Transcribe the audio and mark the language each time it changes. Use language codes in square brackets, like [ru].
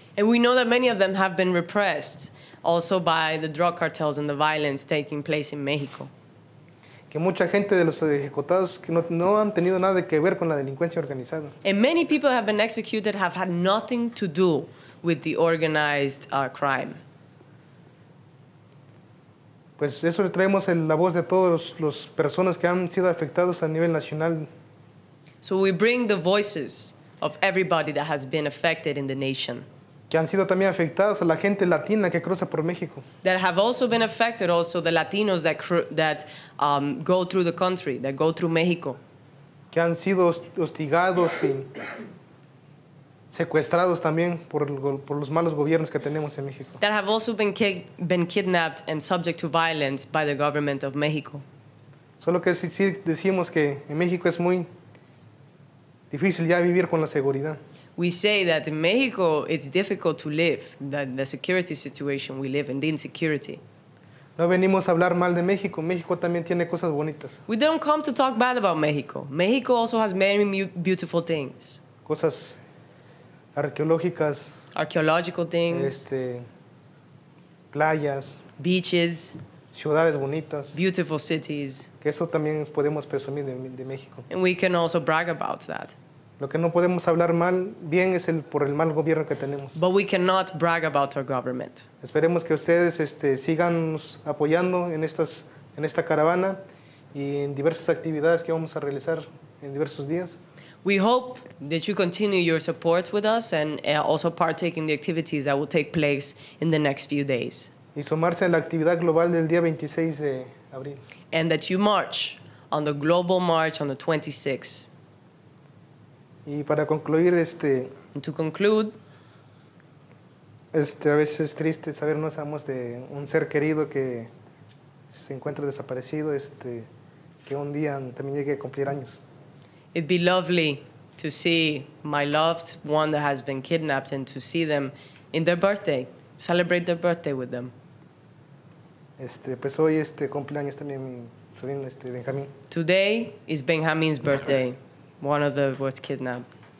[en] And we know that many of them have been repressed also by the drug cartels and the violence taking place in Mexico. [es] Que mucha gente de los ejecutados que no han tenido nada que ver con la delincuencia organizada. [en] And many people have been executed have had nothing to do with the organized crime. [es] Pues eso le traemos en la voz de todos los personas que han sido afectados a nivel nacional. [en] So we bring the voices of everybody that has been affected in the nation. [es] Que han sido también afectados a la gente latina que cruza por México. [en] That have also been affected, also the Latinos that go through the country, that go through Mexico. [es] Que han sido hostigados secuestrados también por los malos gobiernos que tenemos en México. [en] That have also been kidnapped and subject to violence by the government of Mexico. [es] Solo que sí decimos que en México es muy difícil ya vivir con la seguridad. [en] We say that in Mexico it's difficult to live, that the security situation we live in, the insecurity. [es] No venimos a hablar mal de México. México también tiene cosas bonitas. [en] We don't come to talk bad about Mexico. Mexico also has many beautiful things. [es] Cosas arqueológicas. [en] Archaeological things. [es] Playas. [en] Beaches. [es] Ciudades bonitas. [en] Beautiful cities. [es] Que eso también podemos presumir de México. [en] And we can also brag about that. [es] Lo que no podemos hablar mal, bien, es el por el mal gobierno que tenemos. [en] But we cannot brag about our government. [es] Esperemos que ustedes sigan apoyando en esta caravana y en diversas actividades que vamos a realizar en diversos días. [en] We hope that you continue your support with us and also partake in the activities that will take place in the next few days. [es] Y sumarse a la actividad global del día 26 de abril. [en] And that you march on the global march on the 26th. [es] Y para concluir, [en] And to conclude, [es] A veces es triste saber no sabemos de un ser querido que se encuentra desaparecido, que un día también llegue a cumplir años. [en] It'd be lovely to see my loved one that has been kidnapped and to see them in their birthday, celebrate their birthday with them. [es] Pues hoy cumpleaños también mi sobrino, Benjamín. [en] Today is Benjamin's birthday. One of the words kidnapped.